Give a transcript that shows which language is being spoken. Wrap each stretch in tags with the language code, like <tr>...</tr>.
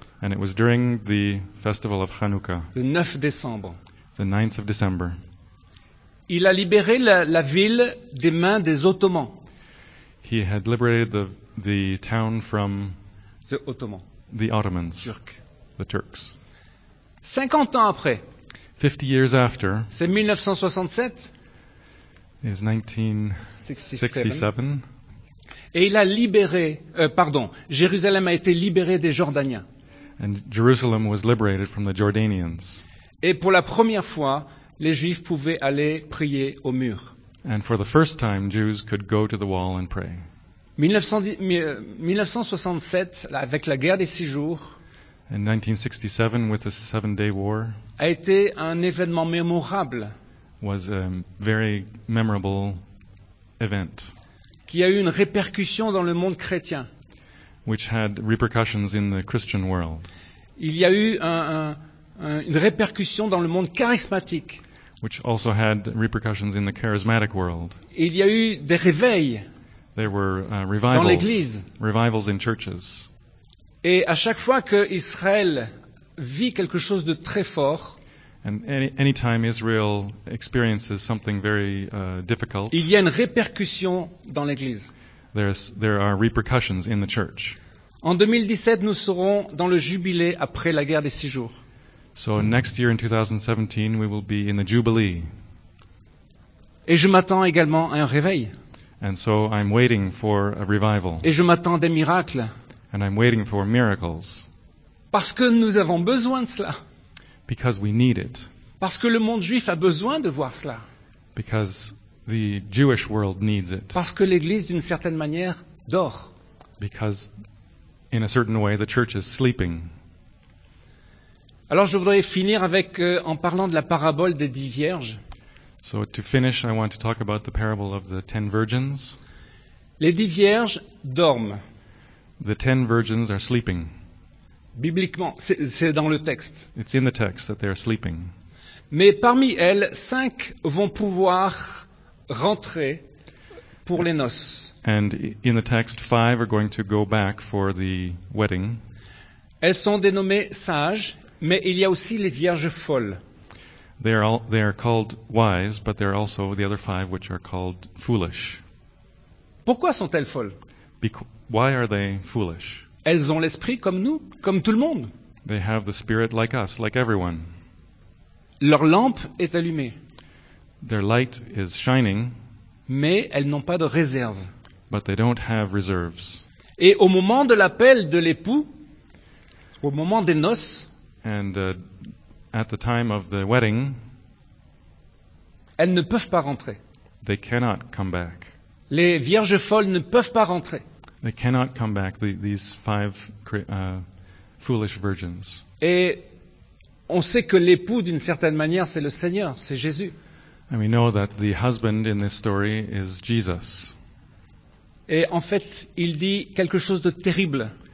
<en>And it was during the festival of Hanouka.</en> <fr>Le 9 décembre.</fr> <en>The 9th of December.</en> <fr>Il a libéré la ville des mains des Ottomans.</fr> <en>He had liberated the town from the Ottomans. The Ottomans.</en> <fr>Turcs.</fr> <en>The Turks.</en> <fr>50 ans après.</fr> <en>50 years after.</en> <fr>C'est 1967.</fr> <en>Is 1967.</en> <fr>Et il a libéré, Jérusalem a été libéré des Jordaniens.</fr> <en>And Jerusalem was liberated from the Jordanians.</en> <fr>Et pour la première fois, les Juifs pouvaient aller prier au mur.</fr> <en>And for the first time, Jews could go to the wall and pray.</en> <fr>1967, avec la guerre des six jours,</fr> <en>in 1967, with the seven-day war,</en> <fr>a été un événement mémorable,</fr> <en>was a very memorable event,</en> <fr>qui a eu une répercussion dans le monde chrétien,</fr> <en>which had repercussions in the Christian world.</en> <fr>Il y a eu une répercussion dans le monde charismatique,</fr> <en>which also had repercussions in the charismatic world.</en> <fr>Il y a eu des réveils.</fr> <en>There were revivals,</en> <fr>dans l'église.</fr> <en>Revivals in churches.</en> <fr>Et à chaque fois que Israël vit quelque chose de très fort,</fr> <en>and any time Israel experiences something very difficult,</en> <fr>il y a une répercussion dans l'église.</fr> <en>There are repercussions in the church.</en> <fr>En 2017, nous serons dans le jubilé après la guerre des six jours.</fr> <en>So next year in 2017, we will be in the jubilee.</en> <fr>Et je m'attends également à un réveil.</fr> <en>And so I'm waiting for a revival.</en> <fr>Et je m'attends à des miracles.</fr> <en>And I'm waiting for miracles.</en> <fr>Parce que nous avons besoin de cela.</fr> <en>Because we need it.</en> <fr>Parce que le monde juif a besoin de voir cela.</fr> <en>Because the Jewish world needs it.</en> <fr>Parce que l'église d'une certaine manière dort.</fr> <en>Because in a certain way the church is sleeping.</en> <fr>Alors je voudrais finir avec en parlant de la parabole des 10 vierges.</fr> <en>So to finish, I want to talk about the parable of the 10 virgins.</en> <fr>Les 10 vierges dorment.</fr> <en>The 10 virgins are sleeping.</en> <fr>Bibliquement, c'est dans le texte.</fr> <en>It's in the text that they are sleeping.</en> <fr>Mais parmi elles, 5 vont pouvoir rentrer pour les noces.</fr> <en>And in the text, 5 are going to go back for the wedding.</en> <fr>Elles sont dénommées sages, mais il y a aussi les vierges folles.</fr> <en>They are called wise, but there are also the other 5 which are called foolish.</en> <fr>Pourquoi sont-elles folles?</fr> <en>Why are they foolish?</en> <fr>Elles ont l'esprit comme nous, comme tout le monde.</fr> <en>They have the spirit like us, like everyone.</en> <fr>Leur lampe est allumée.</fr> <en>Their light is shining.</en> <fr>Mais elles n'ont pas de réserve.</fr> <en>But they don't have reserves.</en> <fr>Et au moment de l'appel de l'époux, au moment des noces,</fr> <en>at the time of the wedding,</en> <fr>elles ne peuvent pas rentrer.</fr> <en>They cannot come back.</en> <fr>Les vierges folles ne peuvent pas rentrer.</fr> <en>They cannot come back, these 5 foolish virgins.</en> <fr>Et on sait que l'époux, d'une certaine manière, c'est le Seigneur, c'est Jésus.</fr> <en>And we know that the husband in this story is Jesus.</en> <fr>Et en fait, il dit quelque chose de terrible.</fr>